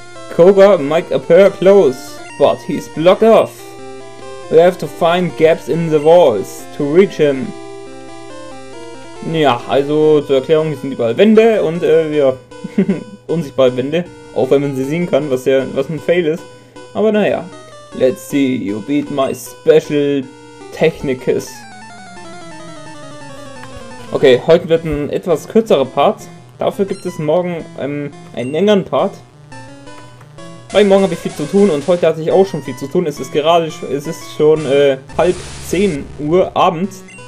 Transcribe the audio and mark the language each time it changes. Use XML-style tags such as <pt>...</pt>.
<en>Koga might appear close, but he's blocked off. We have to find gaps in the walls to reach him.</en> <de>Ja, also zur Erklärung, hier sind überall Wände und ja. Unsichtbare Wände. Auch wenn man sie sehen kann, was ein Fail ist. Aber naja.</de> <en>Let's see, you beat my special technicus.</en> <de>Okay, heute wird ein etwas kürzerer Part. Dafür gibt es morgen einen längeren Part. Weil morgen habe ich viel zu tun und heute hatte ich auch schon viel zu tun. Es ist schon 21:30 Uhr abends.</de>